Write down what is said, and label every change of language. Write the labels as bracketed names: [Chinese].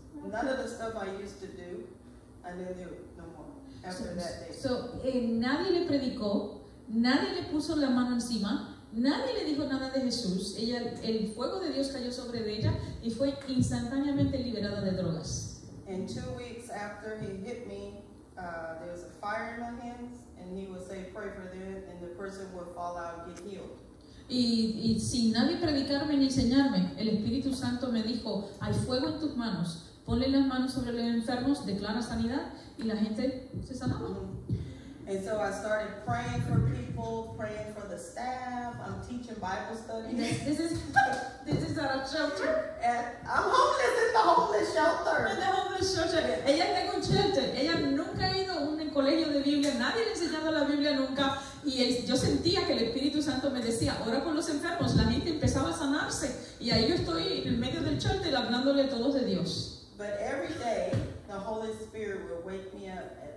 [English] none of the stuff I used to do, I didn't do no more after that day. [Spanish] So, nadie le predicó, nadie le puso la mano encima, nadie le dijo nada de Jesús. Ella, el fuego de Dios cayó sobre ella y fue instantáneamente liberada de drogas. [English] And 2 weeks after he hit me, there was a fire in my hands, and he would say, pray for them, and the person would fall out and get healed. [Spanish] Y sin nadie predicarme ni enseñarme, el Espíritu Santo me dijo, hay fuego en tus manos, ponle las manos sobre los enfermos, declara sanidad, y la gente se sanaba. Mm-hmm. [English] And so I started praying for people, praying for the staff, I'm teaching Bible studies. This is at a shelter. And I'm homeless in the homeless shelter. In the homeless shelter. [Spanish] Ella tiene un shelter. Ella nunca ha ido a un colegio de Biblia, nadie le ha enseñado la Biblia nunca. Y yo sentía que el Espíritu Santo me decía, ora por los enfermos. La gente empezaba a sanarse. Y ahí yo estoy en el medio del shelter hablándole a todos de Dios. [English] But every day, the Holy Spirit will wake me up.